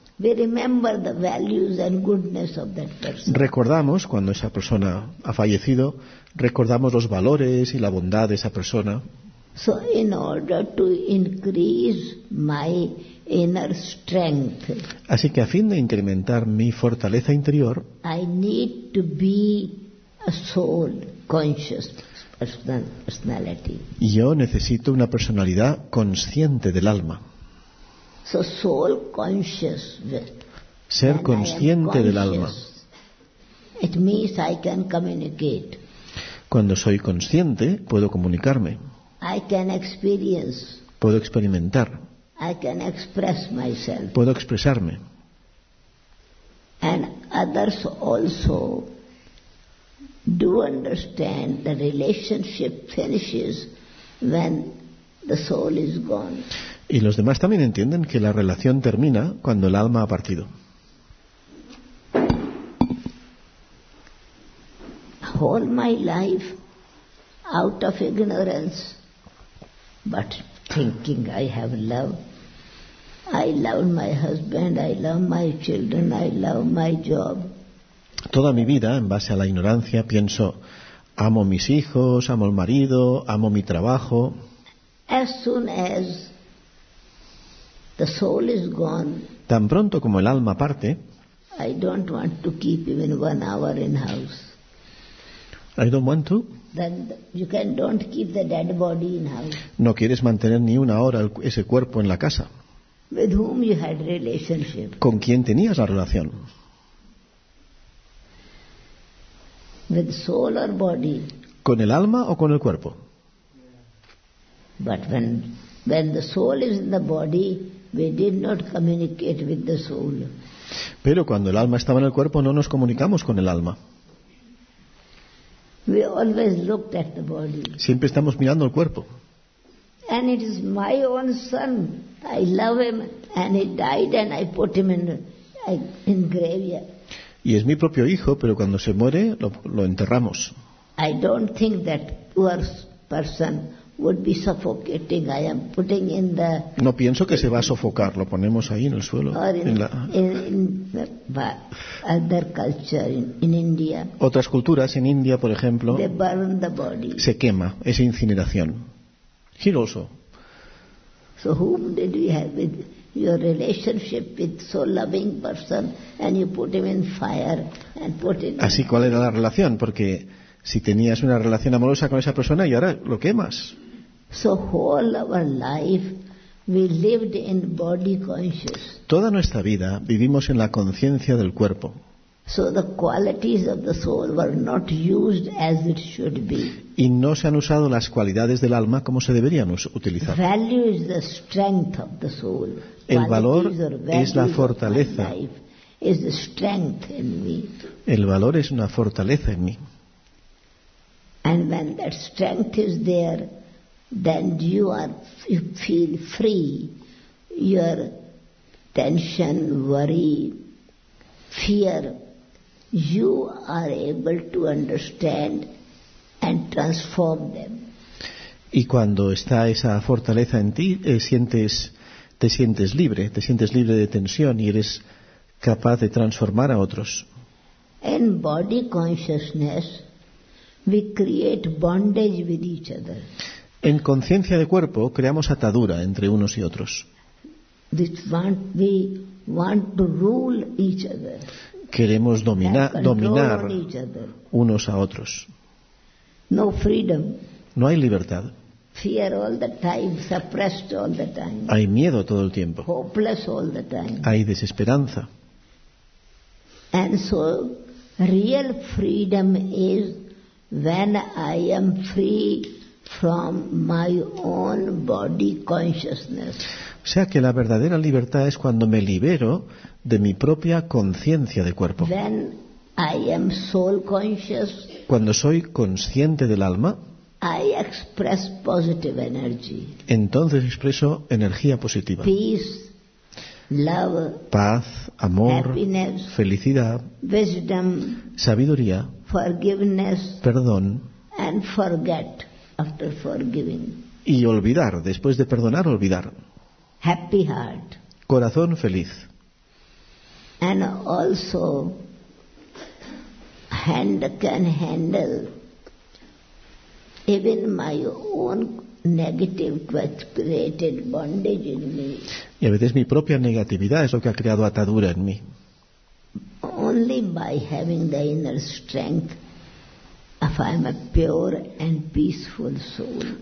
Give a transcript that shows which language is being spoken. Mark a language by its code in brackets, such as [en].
[en] We remember the values and goodness of that person. [es] Recordamos cuando esa persona ha fallecido, recordamos los valores y la bondad de esa persona. [en] So in order to increase my inner strength. [es] Así que a fin de incrementar mi fortaleza interior, [en] I need to be a soul conscious personality. [es] Yo necesito una personalidad consciente del alma. [en] So soul conscious. [es] Ser consciente del alma. [en] It means I can communicate. [es] Cuando soy consciente, puedo comunicarme. [en] I can experience. [es] Puedo experimentar. [en] I can express myself. [es] Puedo expresarme. [en] And others also do understand the relationship finishes when the soul is gone. [es] Y los demás también entienden que la relación termina cuando el alma ha partido. [en] All my life out of ignorance, but thinking I have love. I love my husband, I love my children, I love my job. [es] Toda mi vida, en base a la ignorancia, pienso, amo mis hijos, amo el marido, amo mi trabajo. [en] As soon as the soul is gone, [es] tan pronto como el alma parte, [en] I don't want to keep even 1 hour in house. I don't want to. Then you can don't keep the dead body in house. [es] No quieres mantener ni una hora ese cuerpo en la casa. [en] With whom you had relationship. [es] ¿Con quién tenías la relación? [en] With soul or body. [es] ¿Con el alma o con el cuerpo? [en] But when the soul is in the body, we did not communicate with the soul. [es] Pero cuando el alma estaba en el cuerpo, no nos comunicamos con el alma. [en] We always looked at the body. [es] Siempre estamos mirando el cuerpo. [en] And it is my own son. I love him and he died and I put him in graveyard. [es] Y es mi propio hijo, pero cuando se muere lo enterramos. [en] I don't think that poor person would be suffocating. I am putting in the. [es] No pienso que se va a sofocar, lo ponemos ahí en el suelo. [en] In other culture in India. [es] Otras culturas en India, por ejemplo, [en] they burn the body. [es] Se quema, es incineración. Giroso. [en] So whom did we have with your relationship with so loving person and you put him in fire and put it? [es] Así, ¿cuál era la relación? Porque si tenías una relación amorosa con esa persona y ahora lo quemas. [en] So whole our life we lived in body conscious. [es] Toda nuestra vida vivimos en la conciencia del cuerpo. [en] So the qualities of the soul were not used as it should be. [es] Y no se han usado las cualidades del alma como se deberían utilizar. [en] Value is the strength of the soul. [es] El valor es la fortaleza. [en] Is the strength in me. [es] El valor es una fortaleza en mí. [en] And when that strength is there, then you feel free. Your tension, worry, fear, you are able to understand and transform them. [es] Y cuando está esa fortaleza en ti, te sientes libre de tensión y eres capaz de transformar a otros. [en] In body consciousness, we create bondage with each other. [es] En conciencia de cuerpo creamos atadura entre unos y otros. [en] We want to rule each other. [es] Queremos dominar unos a otros. [en] No freedom. [es] No hay libertad. [en] Fear all the time, suppressed all the time. [es] Hay miedo todo el tiempo. [en] Hopeless all the time. [es] Hay desesperanza. [en] And so, real freedom is when I am free from my own body consciousness. [es] O sea que la verdadera libertad es cuando me libero de mi propia conciencia de cuerpo. [en] When I am soul conscious, [es] cuando soy consciente del alma, [en] I express positive energy. [es] Entonces expreso energía positiva. [en] Peace, love, [es] paz, amor, [en] happiness, [es] felicidad, [en] wisdom, [es] sabiduría, [en] forgiveness, [es] perdón, [en] and forget after forgiving. [es] Y olvidar, después de perdonar, olvidar. [en] Happy heart. [es] Corazón feliz. [en] and also can handle even my own negative which created bondage in me. [es] Y a veces mi propia negatividad es lo que ha creado atadura en mí. [en] Only by having the inner strength if I am a pure and peaceful soul.